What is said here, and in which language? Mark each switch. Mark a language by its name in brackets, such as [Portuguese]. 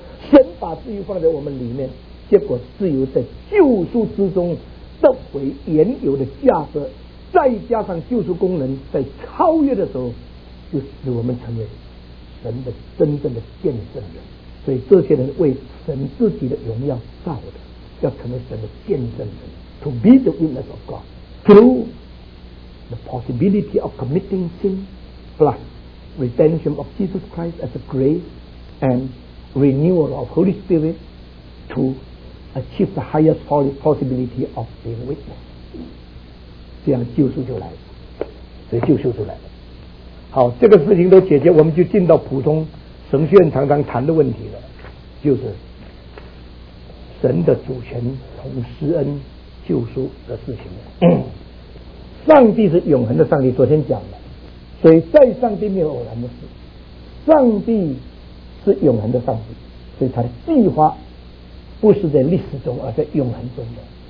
[Chinese] 神把自由放在我们里面，结果自由在救赎之中得回原有的价值，再加上救赎功能在超越的时候，就使我们成为神的真正的见证人。所以这些人为神自己的荣耀造的，要成为神的见证人。 [English] To be the witness of God through the possibility of committing sin plus redemption of Jesus Christ as a grace and renewal of Holy Spirit toachieve the highest possibility of being witness， [Chinese] 这样救赎就来了，所以救赎就来了。好，这个事情都解决，我们就进到普通神学院常常谈的问题了，就是神的主权同施恩救赎的事情了。上帝是永恒的上帝，昨天讲了，所以在上帝没有偶然的事，上帝是永恒的上帝，所以他的计划不是在历史中，而在永恒中的。